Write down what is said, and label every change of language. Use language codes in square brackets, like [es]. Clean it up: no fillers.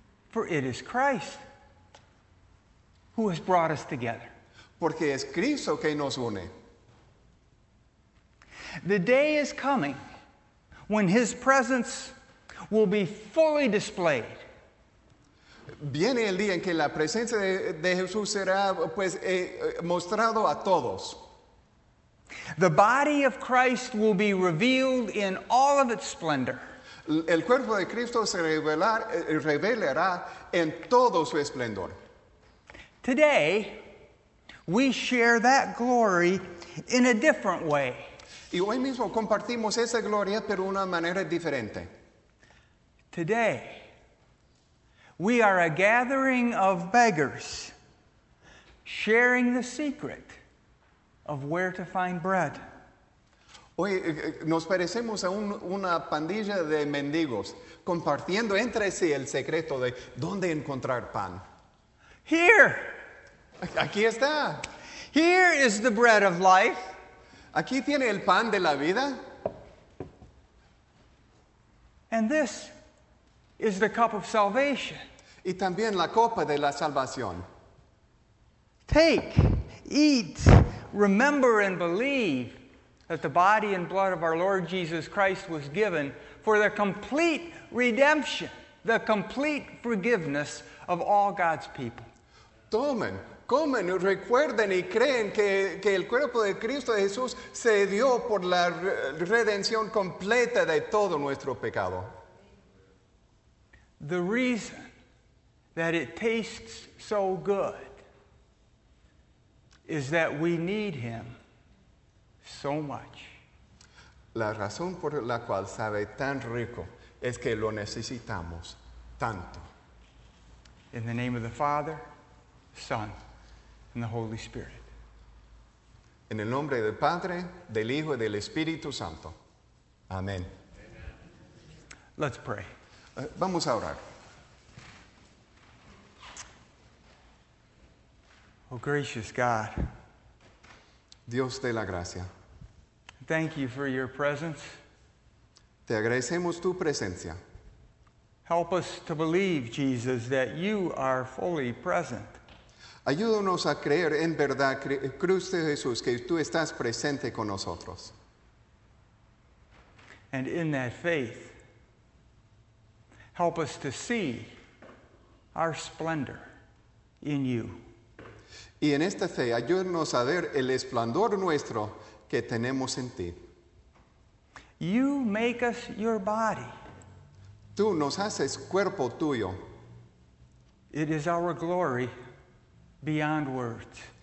[en] For it is Christ who has brought us together. [es] Porque es Cristo que nos une. [en] The day is coming when his presence will be fully displayed. [es] Viene el día en que la presencia de Jesús será mostrado a todos. [en] The body of Christ will be revealed in all of its splendor. [es] El cuerpo de Cristo se revelará en todo su esplendor. [en] Today, we share that glory in a different way. [es] Y hoy mismo compartimos esa gloria, pero una manera diferente. [en] Today, we are a gathering of beggars sharing the secret of where to find bread. [es] Hoy nos parecemos a una pandilla de mendigos compartiendo entre sí el secreto de dónde encontrar pan. [en] Here. [es] Aquí está. [en] Here is the bread of life. [es] Aquí tiene el pan de la vida. [en] And this is the cup of salvation. [es] Y también la copa de la salvación. [en] Take, eat, remember and believe that the body and blood of our Lord Jesus Christ was given for the complete redemption, the complete forgiveness of all God's people. [es] Tomen, comen, recuerden y creen que el cuerpo de Cristo Jesús se dio por la redención completa de todo nuestro pecado. [en] The reason that it tastes so good is that we need him so much. [es] La razón por la cual sabe tan rico es que lo necesitamos tanto. [en] In the name of the Father, Son, and the Holy Spirit. [es] En el nombre del Padre, del Hijo, y del Espíritu Santo. Amén. [en] Let's pray. [es] Vamos a orar. [en] Oh, gracious God. [es] Dios de la gracia. [en] Thank you for your presence. [es] Te agradecemos tu presencia. [en] Help us to believe, Jesus, that you are fully present. [es] Ayúdanos a creer en verdad, Cruz de Jesús, que tú estás presente con nosotros. [en] And in that faith, help us to see our splendor in you. [es] Y en esta fe, ayúdanos a ver el esplendor nuestro que tenemos en ti. [en] You make us your body. [es] Tú nos haces cuerpo tuyo. [en] It is our glory beyond words.